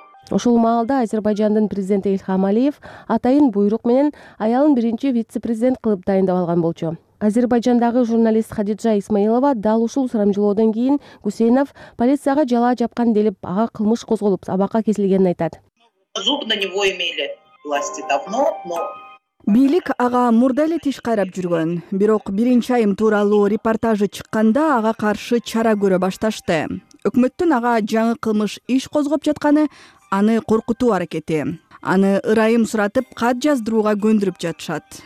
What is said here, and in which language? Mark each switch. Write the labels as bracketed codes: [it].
[ky] Ошол маалда Азербайжандын президенти Ильхам Алиев атайын буйрук менен аялын биринчи вице-президент кылып дайындап алган болчу. Азербайжандагы журналист Хадиджа Исмаилова дал ушул сурамжылоодон кийин Гусейнов полицияга жалаа жапкан делип, ага кылмыш козголуп, абакка кесилгенин айтат. [ru] Зуб на него имели власти давно, но [ky] бийлик ага мурда эле тиш кайрап жүргөн. Бирок биринчи айым тууралуу репортажы чыкканда ага каршы чара көрө башташты. Өкмөттүн ага жаңы кылмыш иш козгоп жатканы аны коркутуу аракети. Аны ырайым суратып кат жаздырууга көндүрүп жатышат.